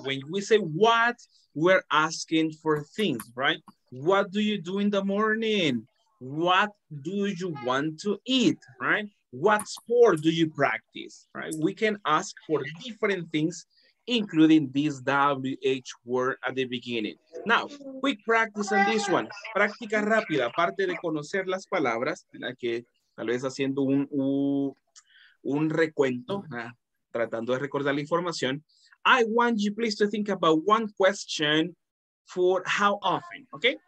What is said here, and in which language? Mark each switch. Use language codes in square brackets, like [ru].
[en] When we say what, we're asking for things, right? What do you do in the morning? What do you want to eat, right? What sport do you practice, right? We can ask for different things, including this WH word at the beginning. Now, quick practice on this one. [es] Práctica rápida, aparte de conocer las palabras, en la que tal vez haciendo un recuento, ¿verdad? Tratando de recordar la información. [en] I want you please to think about one question for how often, okay?